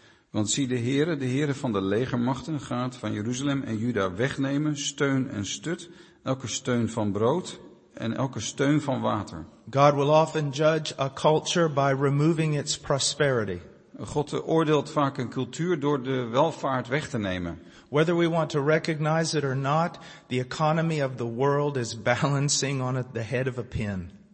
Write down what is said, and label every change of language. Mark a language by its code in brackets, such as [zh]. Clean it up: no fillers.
[nl] Want zie, de Heere van de legermachten gaat van Jeruzalem en Juda wegnemen, steun en stut, elke steun van brood en elke steun van water. [en] God will often judge a culture by removing its prosperity. [nl] God oordeelt vaak een cultuur door de welvaart weg te nemen. [en] Whether we want to recognize it or not, the economy of the world is balancing on the head of a pin.